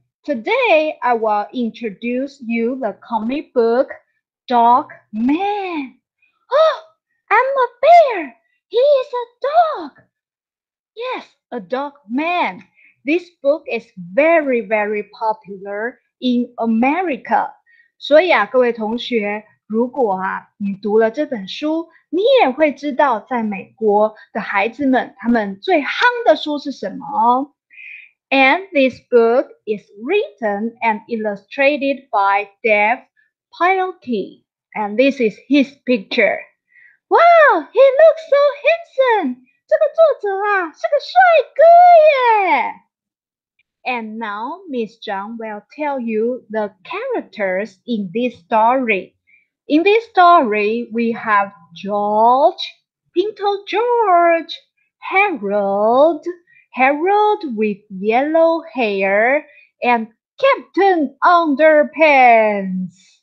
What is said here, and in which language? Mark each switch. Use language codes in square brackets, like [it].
[en] Today, I will introduce you the comic book Dog Man. Oh, I'm a bear. He is a dog. Yes, a dog man. This book is very, very popular in America. [zh] 所以啊，各位同学，如果啊，你读了这本书，你也会知道在美国的孩子们，他们最夯的书是什么哦。 [en] And this book is written and illustrated by Dave Pilkey. And this is his picture. Wow, he looks so handsome. [zh] 这个作者啊，是个帅哥耶。 [en] And now, Miss Zhang will tell you the characters in this story. In this story, we have George, Pinto George, Harold with yellow hair, and Captain Underpants.